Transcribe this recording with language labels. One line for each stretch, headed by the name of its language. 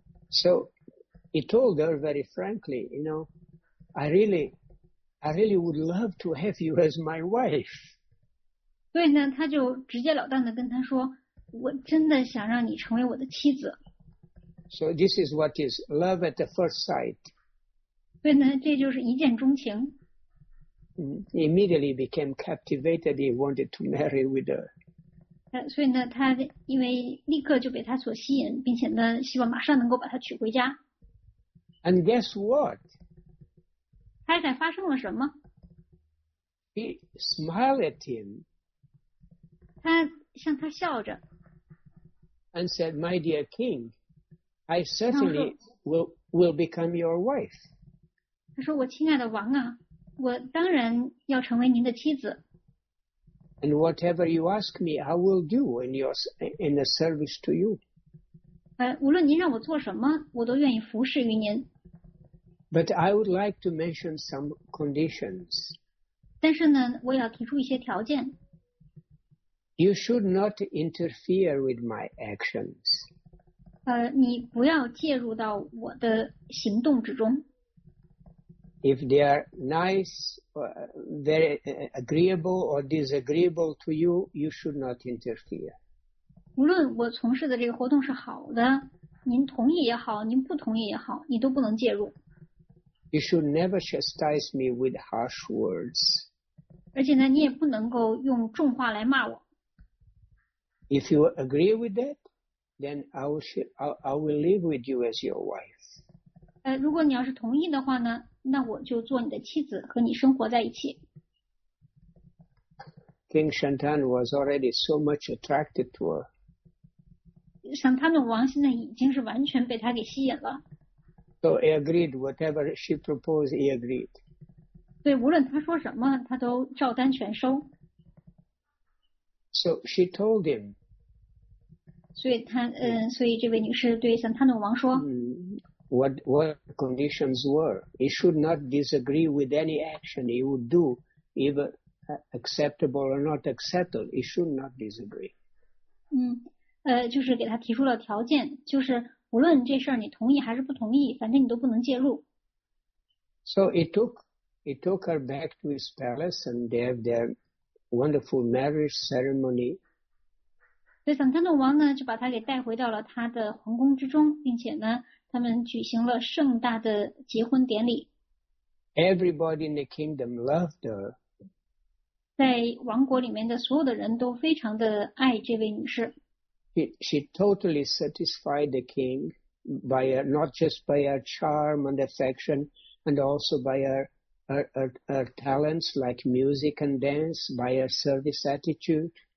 English: So he told her very frankly, you know, I really would love to have you as my wife.
Chinese: 对呢，他就直截了当地跟她说，我真的想让你成为我的妻子。
English: So this is what is love at the first sight.
Chinese: 对呢，这就是一见钟情。
English: He immediately became captivated, he wanted to marry with her.
Chinese: 所以呢，他因为立刻就被她所吸引，并且呢，希望马上能够把她娶回家。
English: And guess what?
Chinese: 猜猜发生了什么？
English: He smiled at him.
Chinese: 他向他笑着。
English: And said, my dear king, I certainly will become your wife.
Chinese: 他说，我亲爱的王啊，我当然要成为您的妻子。
English: And whatever you ask me, I will do in the service to you.
Chinese: 无论您让我做什么，我都愿意服侍于您。
English: But I would like to mention some conditions.
Chinese: 但是呢，我要提出一些条件。
English: You should not interfere with my actions.
Chinese: 你不要介入到我的行动之中。
English: If they are nice, very agreeable or disagreeable to you, you should not interfere.
Chinese: 无论我从事的这个活动是好的，您同意也好，您不同意也好，你都不能介入。
English: You should never chastise me with harsh words.
Chinese: 而且呢，你也不能够用重话来骂我。
English: If you agree with that, then I will live with you as your wife.
Chinese: 如果你要是同意的话呢，那我就做你的妻子，和你生活在一起。
English: King Shantan was already so much attracted to her.
Chinese: 像他们王现在已经是完全被他给吸引了。
English: So he agreed whatever she proposed, he agreed.
Chinese: 对，无论他说什么，他都照单全收。
English: So she told him.
Chinese: 所以他所以这位女士对桑塔努王说，
English: What conditions were? He should not disagree with any action he would do, either acceptable or not acceptable. He should not disagree.
Chinese: 就是给他提出了条件，就是无论这事儿你同意还是不同意，反正你都不能介入。
English: So he took her back to his palace, and they have their wonderful marriage ceremony.
Chinese: 对，桑塔努王呢，就把他给带回到了他的皇宫之中，并且呢，他们举行了盛大的结婚典礼。
English: Everybody in the kingdom loved her.
Chinese: 在王国里面的所有的人都非常的爱这位女士。
English: She totally satisfied the king by her, not just by her charm and affection, and also by her talents like music and dance, by her service attitude.